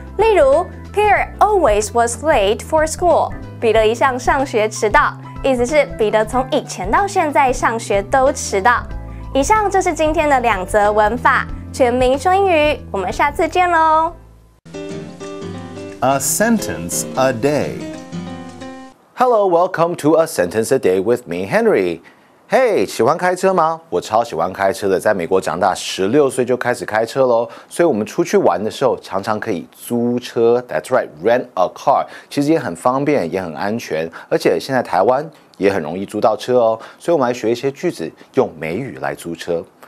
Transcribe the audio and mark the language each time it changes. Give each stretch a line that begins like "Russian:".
Chinese: 例如
English: Peter always was late for school，
Chinese: 彼得一向上学迟到，意思是彼得从以前到现在上学都迟到。以上就是今天的两则文法，全民说英语，我们下次见咯。
English: A sentence a day. Hello, welcome to A Sentence a Day with me, Henry.
Chinese: 嘿、hey, 喜欢开车吗？我超喜欢开车的，在美国长大16岁就开始开车咯，所以我们出去玩的时候常常可以租车，
English: That's right, rent a car，
Chinese: 其实也很方便也很安全，而且现在台湾也很容易租到车哦，所以我们来学一些句子用美语来租车。